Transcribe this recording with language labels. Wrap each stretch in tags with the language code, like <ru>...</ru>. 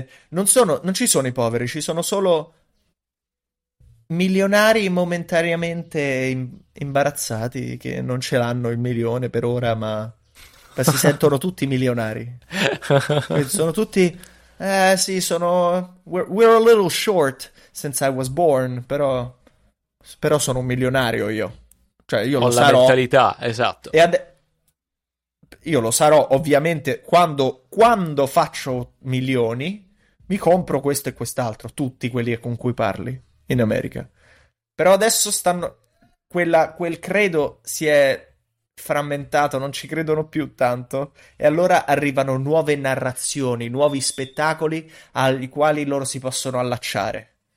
<it>non ci sono i poveri, ci sono solo milionari momentaneamente imbarazzati che non ce l'hanno il milione per ora ma si sentono tutti milionari. Sono tutti Sì, sono.</it> <en>We're a little short since I was born,</en> <it>però. Però sono un milionario io. Cioè, io lo ho sarò. Ho la mentalità, esatto. E io lo sarò, ovviamente, quando faccio milioni, mi compro questo e quest'altro, tutti quelli con cui parli in America. Però adesso stanno. Quel credo si è frammentato, non ci credono più tanto, e allora arrivano nuove narrazioni, nuovi spettacoli ai quali loro si possono allacciare.</it>